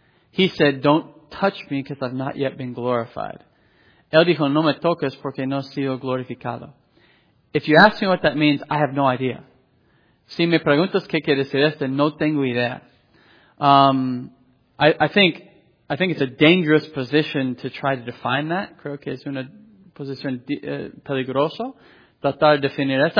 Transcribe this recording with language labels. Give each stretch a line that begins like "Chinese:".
English: He said, don't touch me because I've not yet been glorified.
Spanish: Él dijo, no me toques porque no he sido glorificado.
English: If you ask me what that means, I have no idea.
Spanish: Si me preguntas qué quiere decir esto, no tengo idea.
English: I think it's a dangerous position to try to define that.
Spanish: Creo que es una posición peligrosa tratar de definir esto.